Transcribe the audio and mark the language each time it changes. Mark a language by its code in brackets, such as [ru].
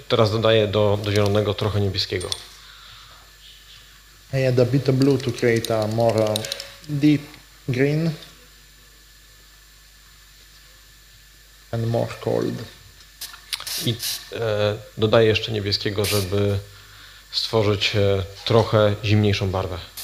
[pl] Teraz dodaję do zielonego trochę niebieskiego. [en] I add a bit of blue to create a more deep green and more cold. [pl] I dodaję jeszcze niebieskiego, żeby stworzyć trochę zimniejszą barwę.